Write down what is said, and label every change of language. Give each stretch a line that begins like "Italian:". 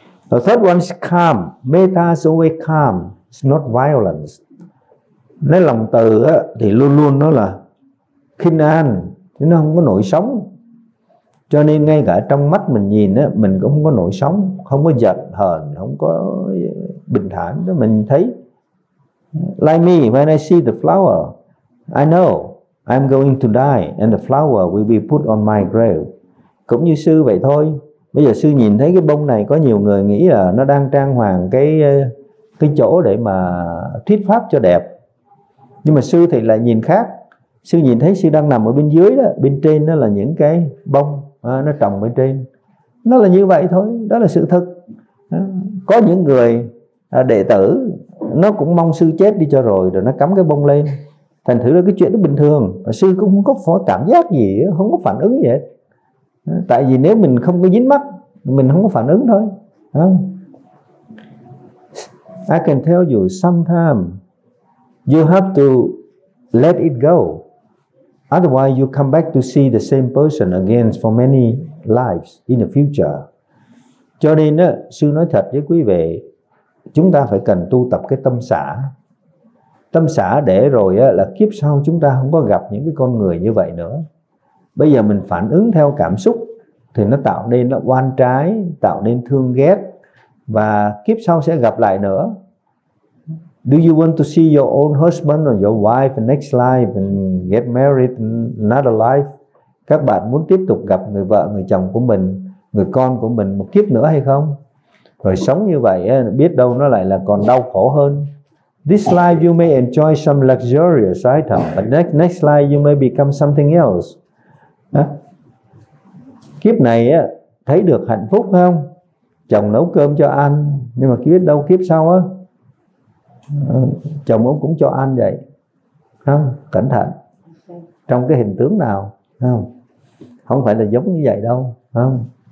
English: The third one is calm. Metta is always calm, it's not violence.
Vietnamese: Nói lòng từ á, thì luôn luôn nó là khinh an, nó không có nổi sóng. Cho nên ngay cả trong mắt mình nhìn á, mình cũng không có nổi sóng, không có giận hờn, không có bình thản đó. Mình thấy
English: like me, when I see the flower, I know I'm going to die and the flower will be put on my grave.
Vietnamese: Cũng như sư vậy thôi. Bây giờ sư nhìn thấy cái bông này, có nhiều người nghĩ là nó đang trang hoàng cái chỗ để mà thuyết pháp cho đẹp. Nhưng mà sư thì lại nhìn khác. Sư nhìn thấy sư đang nằm ở bên dưới đó, bên trên đó là những cái bông nó trồng bên trên. Nó là như vậy thôi, đó là sự thật. Có những người đệ tử nó cũng mong sư chết đi cho rồi nó cắm cái bông lên. Thành thử là cái chuyện đó bình thường, và sư cũng không có cảm giác gì, không có phản ứng gì hết. Tại vì nếu mình không có dính mắt, mình không có phản ứng thôi.
English: I can tell you sometimes you have to let it go, otherwise you come back to see the same person again for many lives in the future.
Vietnamese: Cho nên đó, sư nói thật với quý vị, chúng ta phải cần tu tập cái tâm xả. Tâm xả để rồi á, là kiếp sau chúng ta không có gặp những cái con người như vậy nữa. Bây giờ mình phản ứng theo cảm xúc thì nó tạo nên nó oan trái, tạo nên thương ghét, và kiếp sau sẽ gặp lại nữa.
English: Do you want to see your own husband or your wife in next life and get married in another life?
Vietnamese: Các bạn muốn tiếp tục gặp người vợ, người chồng của mình, người con của mình một kiếp nữa hay không? Rồi sống như vậy biết đâu nó lại là còn đau khổ hơn.
English: This life you may enjoy some luxurious item, but next life you may become something else.
Vietnamese: Kiếp này thấy được hạnh phúc không? Chồng nấu cơm cho ăn, nhưng mà biết đâu kiếp sau á, chồng ông cũng cho ăn vậy. Không, cẩn thận. Trong cái hình tướng nào, không? Không phải là giống như vậy đâu, không?